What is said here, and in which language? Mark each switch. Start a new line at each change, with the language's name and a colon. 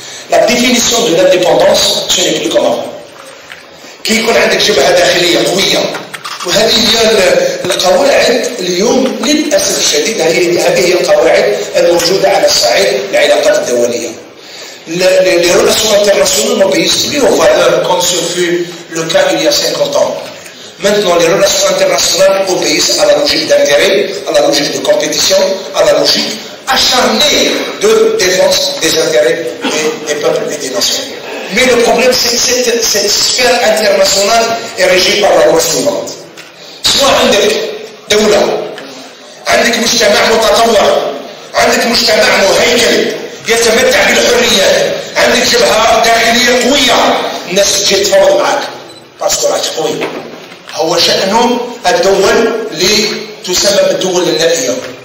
French: La définition de l'indépendance, ce n'est plus comme avant.
Arabic: كي يكون عندك جبهه داخليه قويه، وهذه هي القواعد اليوم للاسف الشديد، هذه هي القواعد الموجوده على صعيد العلاقات الدوليه.
French: Les relations internationales n'obéissent plus aux valeurs comme ce fut le cas il y a 50 ans. Maintenant, les relations internationales obéissent à la logique d'intérêt, à la logique de compétition, à la logique acharnée de défense des intérêts des peuples et des nations. Mais le problème, c'est que cette sphère internationale est régie par la loi suivante. Soit un des deux, un des
Arabic: mujtama' mutatawwa', un des mujtama' muhaykal, يتمتع بالحريات، عندك جبهه داخليه قويه، الناس تجي تفاوض معاك، باسكو راك قوي. هو شأن الدول اللي تسمى بالدول النائيه.